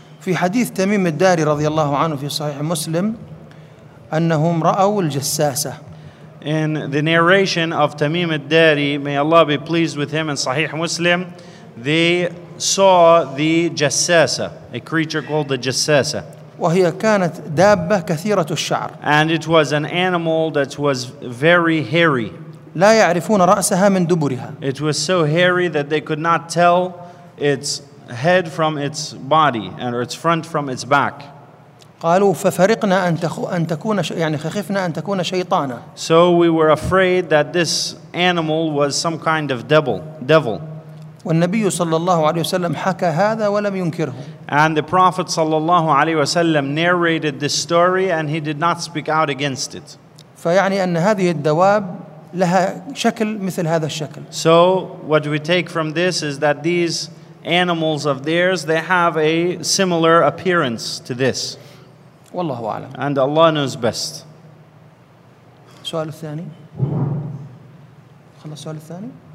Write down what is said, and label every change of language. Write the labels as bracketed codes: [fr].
[ar] في حديث تميم الداري رضي الله عنه في صحيح مسلم أنهم رأوا الجساسة. [en] In the narration of Tamim al-Dari, may Allah be pleased with him in Sahih Muslim, they saw the Jassasa, a creature called the Jassasa. [ar] وهي كانت دابة كثيرة الشعر. [en] And it was an animal that was very hairy. [ar] لا يعرفون رأسها من دبرها. [en] It was so hairy that they could not tell its head from its body and its front from its back. [ar] قالوا ففرقنا أن تكون يعني خفنا أن تكون شيطانا. [en] So we were afraid that this animal was some kind of devil. [ar] والنبي صلى الله عليه وسلم حكى هذا ولم ينكره. [en] And the Prophet [ar] صلى الله عليه وسلم [en] narrated this story and he did not speak out against it. [ar] فيعني أن هذه الدواب لها شكل مثل هذا الشكل. [en] So what we take from this is that these animals of theirs they have a similar appearance to this. [ar] والله أعلم. [en] And Allah knows best. [ar] سؤال الثاني. خلص السؤال الثاني.